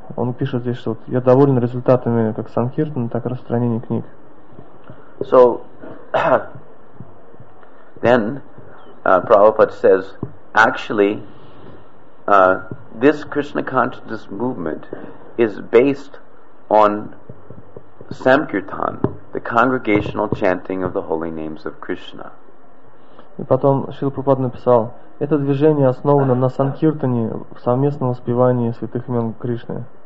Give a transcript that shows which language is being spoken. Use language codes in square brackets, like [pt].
[ru] Он пишет здесь, что вот, я доволен результатами как Санкиртаны, так и распространения книг. [en] So, then, Prabhupada says, actually, this Krishna consciousness movement is based on Samkirtan, the congregational chanting of the holy names of Krishna. [ru] И потом Шрила Прабхупада написал, это движение основано на санкиртане, в совместном воспевании святых имен Кришны.